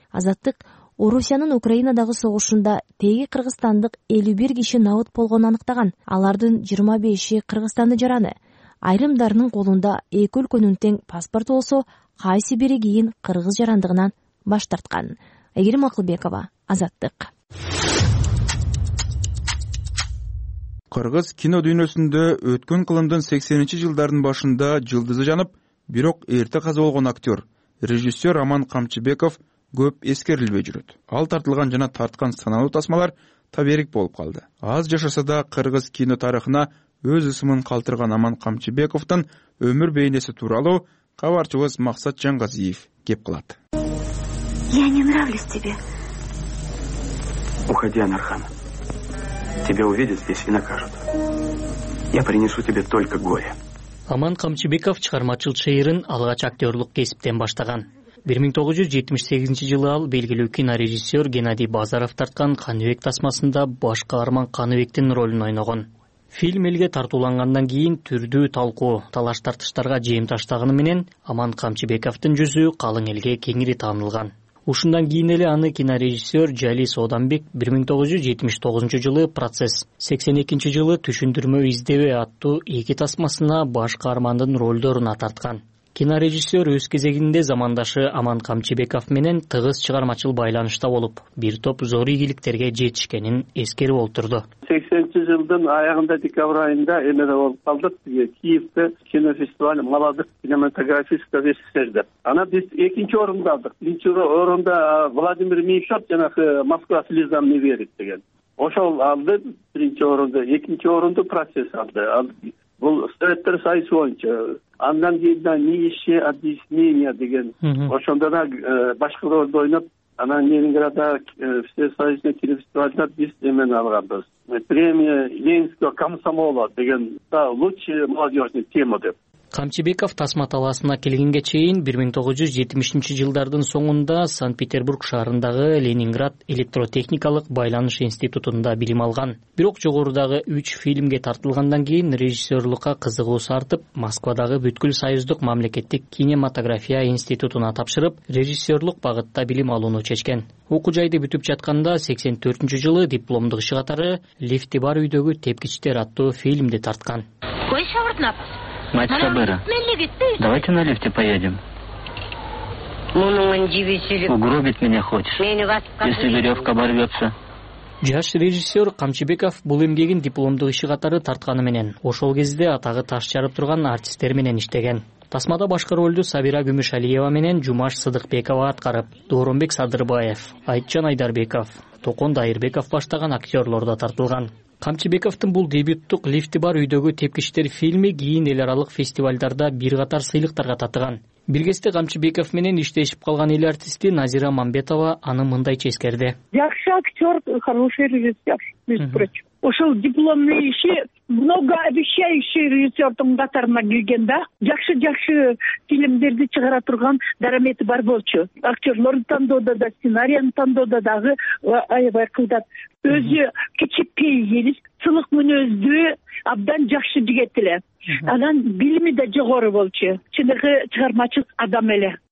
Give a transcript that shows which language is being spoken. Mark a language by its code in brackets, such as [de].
[ky] Азаттык Орусиянын Украинадагы согушунда теги кыргызстандык 51 киши набыт болгонун аныктаган. Алардын 25-и Кыргызстанды жараны. Айрымдарынын колунда эки өлкөнүн тең паспорту болсо, кайсы бири кийин кыргыз жарандыгынан баш тарткан. Айгерим Акылбекова, Азаттык. Кыргыз кино дүйнөсүндө өткөн кылымдын 80-чи жылдардын башында жылдызы жанып, бирок эрте каза болгон актер, режиссер Аман Камчыбеков көп эскерилбей жүрөт. Ал тартылган жана тарткан саналуу тасмалар таберик болуп калды. Аз жашаса да кыргыз кино тарыхына өз ысымын калтырган Аман Камчыбековдун өмүр бейнеси тууралуу кабарчыбыз Максат Жангазиев кеп кылат. [ru] Я не нравлюсь тебе. Уходи, Анархан. Тебя увидят здесь и накажут. Я принесу тебе только горе. [ky] Аман Камчыбеков чыгармачыл чыйырын алгач актерлук кесиптен баштаган. 1978 жылы ал белгилүү кинорежиссер Геннадий Базаров тарткан Каныбек тасмасында баш каарман Каныбектин ролун ойногон. Фильм элге тартууланганından кийин түрдүү талкуу, талаш тартыштарга жем таштаганы менен Аман Камчыбековдун жүзү калың элге кеңири таанылган. Ушундан кийин эле аны кинорежиссер Жалис Оданбек 1979 жылы «Процесс», 82 жылы «Түшүндүрмө издебе» аттуу эки тасмасына баш каармандын ролдоруна тарткан. Кинорежиссер өз кезегинде замандашы Аман Камчыбеков менен тыгыз чыгармачыл байланышта болуп, бир топ зор ийгиликтерге жетишкенин эскерип олтурду. 80-чи жылдын аягында, декабрь айында эмеде болуп калдык. Киевде кинофестиваль «Молодык кинематографистка фестивал» деп. Анан биз экинчи орунду алдык. Биринчи орунда Владимир Мишот жанагы «Москва слезам не верит» деген. Ошол алды биринчи орунду, экинчи орунду «Процесс» алды. Бул советтер союзу боюнча андан кийин да «Нищие объяснения» деген ошондо да башка ролду ойноп анан Ленинградда всесоюзный кинофестивальда биз эмени алганбыз. [ru] Премия Ленинского комсомола деген лучший молодежный тема деп. [ky] Камчыбеков тасма талаасына келгенге чейин 1970-чи жылдардын соңунда Санкт-Петербург шаарындагы Ленинград электротехникалык байланыш институтунда билим алган. Бирок жогорудагы 3 фильмге тартылгандан кийин режиссерлукка кызыгуусу артып, Москвадагы Бүткүл Союздук мамлекеттик кинематография институтуна тапшырып, режиссерлук багытта билим алууну чечкен. Окуу жайды бүтүп жатканда 84-чү жылы дипломдук иши катары «Лифти бар үйдөгү тепкичтер» аттуу фильмди тарткан. [ru] Мать Сабыра, давайте на лифте поедем. Угробить меня хочешь, если веревка оборвется. [ky] Жаш режиссер Камчыбеков бул эмгегин дипломдук иши катары тартканы менен ошол кезде атагы таш жарып турган артисттер менен иштеген. Тасмада башкы ролду Сабира Күмүшалиева менен Жумаш Сыдыкбекова аткарып, Дооронбек Садырбаев, Айтжан Айдарбеков, Токон Дайырбеков баштаган актерлор да тартылган. Камчыбековдун бул дебюттук «Лифти бар үйдөгү тепкичтер» фильми кийин эл аралык фестивалдарда бир катар сыйлыктарга татыган. Бир кезде Камчыбеков менен иштешип калган эл артисти Назира Мамбетова аны мындайча эскерди. Жакшы актер, [ru] хороший режиссер, между прочим. [ky] Ошол дипломный иши [ru] много обещающий [ky] режиссердун катарына кирген да. Жакшы-жакшы фильмдерди чыгара турган дарамети бар болчу. Актерлорду тандоодо да, сценарийни тандоодо дагы аябай кылдат. Өзү кичи пейилис, сынык мүнөздүү, абдан жакшы жигит эле. Анан билими да жогору болчу. Чыныгы чыгармачыл адам эле.